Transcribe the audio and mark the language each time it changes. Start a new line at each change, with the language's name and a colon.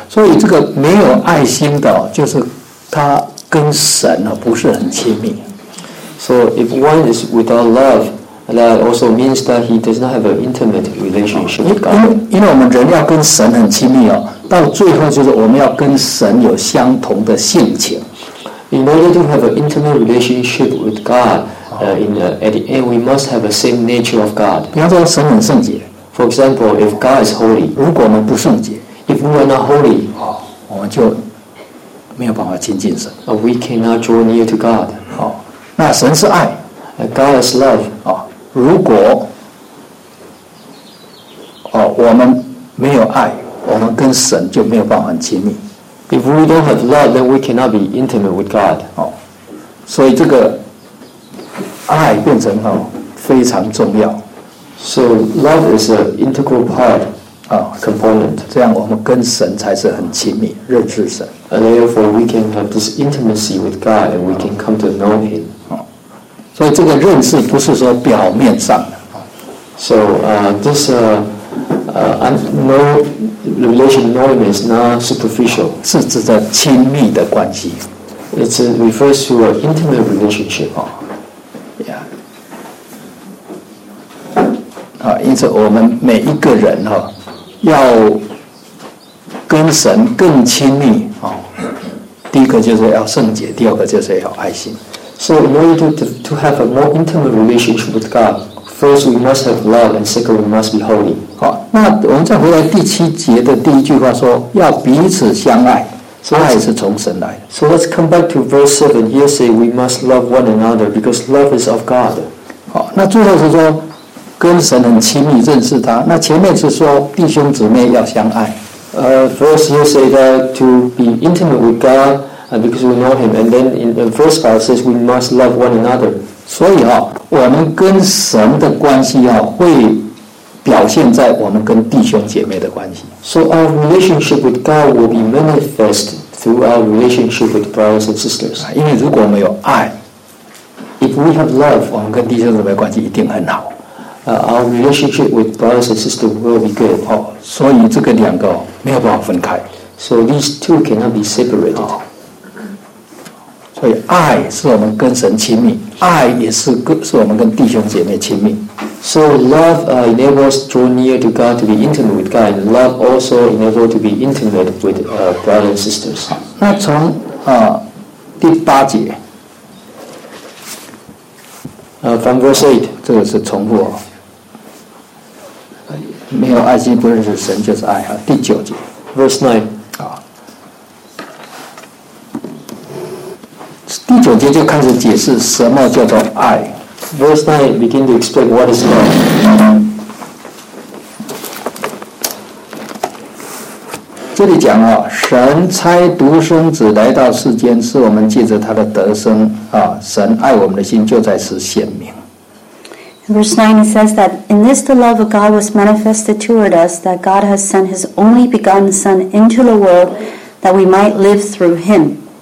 Chinese: 所以这个没有爱心的，就是他跟神不是很亲密。
English: So if one is without love,That also means that he does not have an intimate relationship with God.
Chinese: 因为我们人要跟神很亲密到最后就是我们要跟神有相同的性情。
English: In order to have an intimate relationship with God, at the end, we must have the same nature of God.
Chinese: 比方说神很圣洁。
English: For example, if God is holy,
Chinese: 如果我们不圣洁
English: if we are not holy,
Chinese: 我们就没有办法亲近神。
English: We cannot draw near to God.
Chinese: 那神是爱。
English: God is love.
Chinese: 如果我们没有爱，我们跟神就没有办法亲密。
English: If we don't have love, then we cannot be intimate with God.
Chinese: 所以这个爱变成非常重要。
English: So love is an integral part, component.
Chinese: 这样我们跟神才是很亲密，认识神。
English: And therefore, we can have this intimacy with God, and we can come to know Him.
Chinese: 所以这个认识不是说表面上的。
English: So, this relation knowing is not superficial.
Chinese: 是指的亲密的关系。
English: It refers to an intimate relationship. Yeah.
Chinese: 因此我们每一个人要跟神更亲密第一个就是要圣洁，第二个就是要爱心。
English: So in order to have a more intimate relationship with God, first we must have love, and second we must be holy.
Chinese: 好，那我们再回来第七节的第一句话说，要彼此相爱，爱是从神来的。
English: So let's come back to verse 7. Here say we must love one another because love is of God.
Chinese: 好，那最后是说跟神很亲密，认识他。那前面是说弟兄姊妹要相爱。
English: First here say that to be intimate with God. because we know him. And then in the first part it says we must love one another.
Chinese: 所以啊，我们跟神的关系啊，会表现在我们跟弟兄姐妹的关系。
English: So our relationship with God will be manifest through our relationship with brothers and sisters.
Chinese: 因为如果我们有爱，
English: if we have love,
Chinese: 我们跟弟兄姊妹关系一定很好。
English: Our relationship with brothers and sisters will be good.
Chinese: 哦，所以这个两个没有办法分开。
English: So these two cannot be separated.
Chinese: 所以爱是我们跟神亲密，爱也是我们跟弟兄姐妹亲密。
English: So love enables to draw near to God, to be intimate with God. Love also enables to be intimate with brothers and sisters.
Chinese: 那从第八节
English: from verse 8,
Chinese: 这个是重复，没有爱心不认识神就是爱。第九节
English: verse 9
Chinese: 第九节就开始解释什么叫做爱。
English: Verse 9 begin to explain what is love.
Chinese: 这里讲啊，神差独生子来到世间，是我们借着他的得生啊，神爱我们的心就在此显明。
English: Verse 9 says that in this the love of God was manifested toward us, that God has sent His only begotten Son into the world, that we might live through Him.